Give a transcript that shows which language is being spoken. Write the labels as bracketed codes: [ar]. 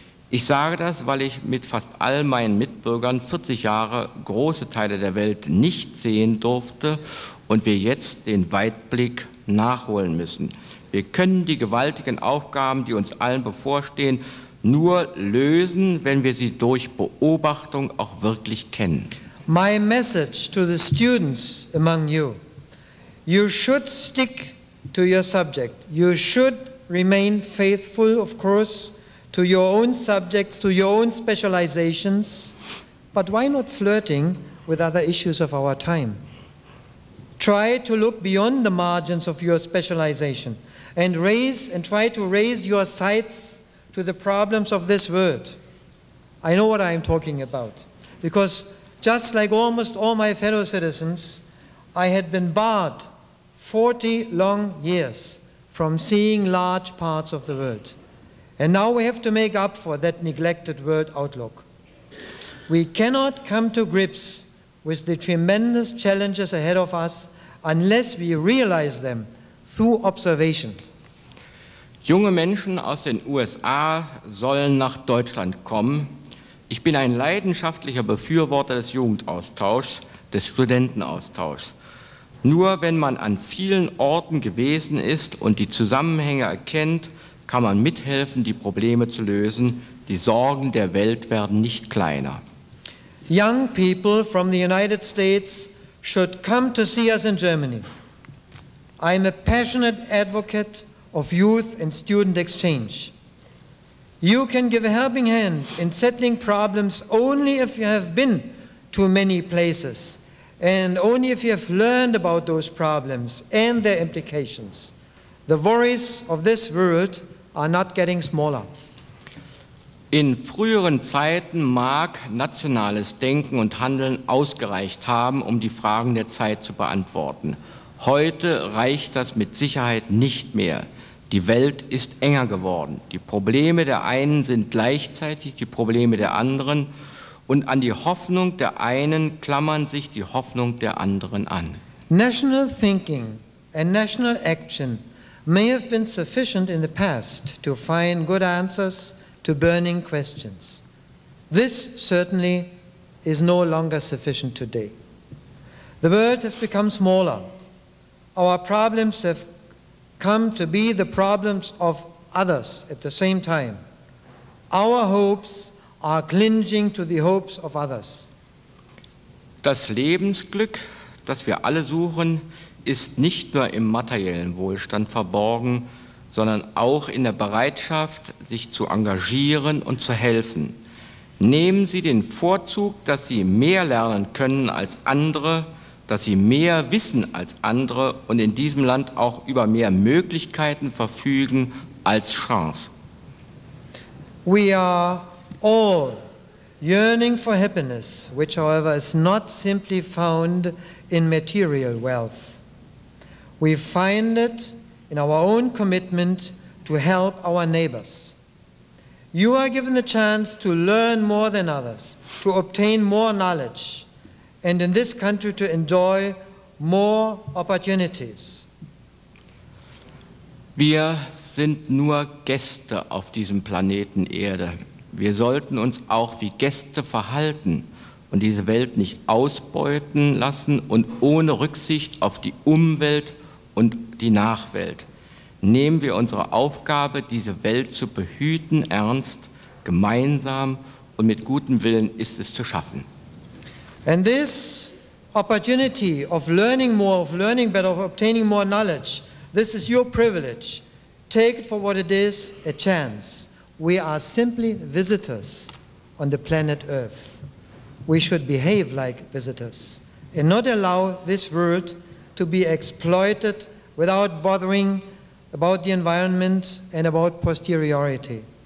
[de] Ich sage das, weil ich mit fast all meinen Mitbürgern 40 Jahre große Teile der Welt nicht sehen durfte und wir jetzt den Weitblick nachholen müssen. Wir können die gewaltigen Aufgaben, die uns allen bevorstehen, nur lösen, wenn wir sie durch Beobachtung auch wirklich kennen. [en] My message to the students among you: you should stick to your subject. You should remain faithful, of course, to your own subjects, to your own specializations. But why not flirting with other issues of our time? Try to look beyond the margins of your specialization and try to raise your sights to the problems of this world. I know what I am talking about, because just like almost all my fellow citizens, I had been barred 40 long years from seeing large parts of the world. And now we have to make up for that neglected world outlook. We cannot come to grips with the tremendous challenges ahead of us unless we realize them through observation. [de] Junge Menschen aus den USA sollen nach Deutschland kommen. Ich bin ein leidenschaftlicher Befürworter des Jugendaustauschs, des Studentenaustauschs. Nur wenn man an vielen Orten gewesen ist und die Zusammenhänge erkennt, kann man mithelfen, die Probleme zu lösen. Die Sorgen der Welt werden nicht kleiner. [en] Young people from the United States should come to see us in Germany. I'm a passionate advocate of youth and student exchange. You can give a helping hand in settling problems only if you have been to many places and only if you have learned about those problems and their implications. The worries of this world are not getting smaller. [de] In früheren Zeiten mag nationales Denken und Handeln ausgereicht haben, um die Fragen der Zeit zu beantworten. Heute reicht das mit Sicherheit nicht mehr. Die Welt ist enger geworden. Die Probleme der einen sind gleichzeitig die Probleme der anderen. Und an die Hoffnung der einen klammern sich die Hoffnung der anderen an. [en] National thinking and national action may have been sufficient in the past to find good answers to burning questions. This certainly is no longer sufficient today. The world has become smaller. Our problems have come to be the problems of others at the same time. Our hopes are clinging to the hopes of others. [de] Das Lebensglück, das wir alle suchen, ist nicht nur im materiellen Wohlstand verborgen, sondern auch in der Bereitschaft, sich zu engagieren und zu helfen. Nehmen Sie den Vorzug, dass Sie mehr lernen können als andere, dass Sie mehr wissen als andere und in diesem Land auch über mehr Möglichkeiten verfügen als Chance. [en] We are all yearning for happiness, which however is not simply found in material wealth. We find it in our own commitment to help our neighbors. You are given the chance to learn more than others, to obtain more knowledge, and in this country to enjoy more opportunities. [de] Wir sind nur Gäste auf diesem Planeten Erde. Wir sollten uns auch wie Gäste verhalten und diese Welt nicht ausbeuten lassen und ohne Rücksicht auf die Umwelt und die Nachwelt. Nehmen wir unsere Aufgabe, diese Welt zu behüten, ernst, gemeinsam und mit gutem Willen ist es zu schaffen. [en] And this opportunity of learning more, of learning better, of obtaining more knowledge, this is your privilege. Take it for what it is, a chance. We are simply visitors on the planet Earth. We should behave like visitors and not allow this world to be exploited without bothering about the environment and about posteriority.